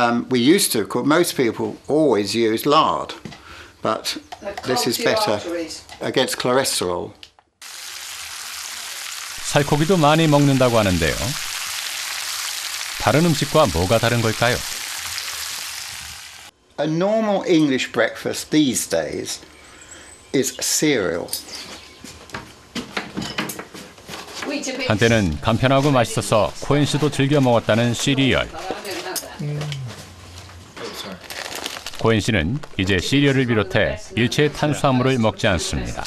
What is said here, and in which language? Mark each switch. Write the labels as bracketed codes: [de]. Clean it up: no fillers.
[en] We used to, because most people always use lard, but this is better against cholesterol. [ko] 살코기도 많이 먹는다고 하는데요. 다른 음식과 뭐가 다른 걸까요? [en] A normal English breakfast these days is cereal. [ko] 한때는 간편하고 맛있어서 코엔 씨도 즐겨 먹었다는 시리얼. 코엔 씨는 이제 시리얼을 비롯해 일체의 탄수화물을 먹지 않습니다.